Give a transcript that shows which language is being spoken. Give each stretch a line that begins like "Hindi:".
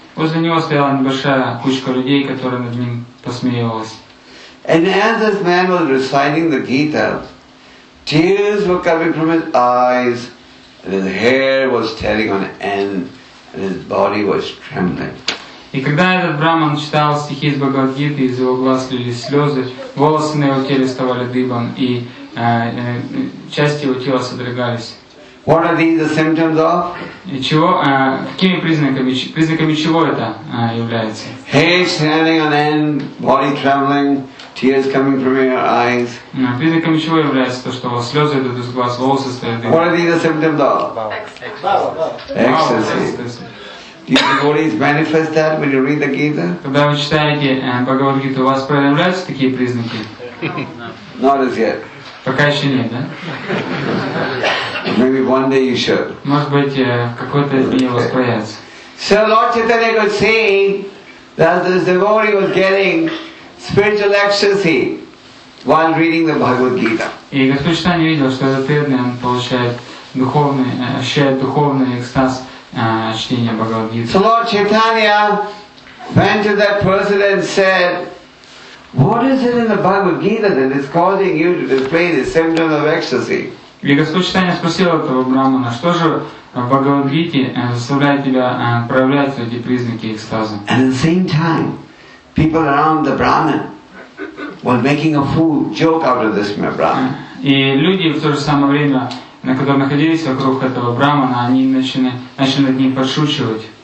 Russian: Возле него стояла небольшая кучка людей, которая над ним посмеивалась.
English: And as this man was reciting the Gita, tears were coming from his eyes, and his hair was standing on end, and his body was trembling.
Russian: И когда этот Брахман читал стихи из Бхагавад-гиты, из его глаз лились слезы, волосы на его теле вставали дыбом, и части его тела содрогались.
English: What are these the symptoms of?
Russian: И чего, какими признаками чего это является?
English: Hair standing on end, body trembling, tears coming from your eyes.
Russian: Признаками чего является то, что слезы идут из глаз, волосы стоят дыбом?
English: What are these the symptoms of? Ecstasy. Do you devotees manifest that when you read the Gita?
Russian: Когда вы читаете Бхагавад Гиту, у вас проявляются такие признаки?
English: Not as yet.
Russian: Пока еще нет, да?
English: Maybe one day you should.
Russian: Может быть, какой-то из них у вас появится.
English: So Lord Chaitanya could see that this devotee was getting spiritual ecstasy while reading the Bhagavad Gita.
Russian: И Господь Чайтанья видел, что этот преданный получает духовный, ощущает духовный экстаз.
English: So Lord Chaitanya went to that person and said, "What is it in the Bhagavad Gita that is causing you to display the symptoms of ecstasy?"
Russian: И Господь Чайтанья спросил этого брахмана, что же в Бхагавад Гите заставляет тебя проявлять эти признаки экстаза?
English: And at the same time, people around the brahman were making a fool joke out of this brahman.
Russian: И люди в то же самое время, на котором находились вокруг этого брахмана, они начали над ним подшучивать.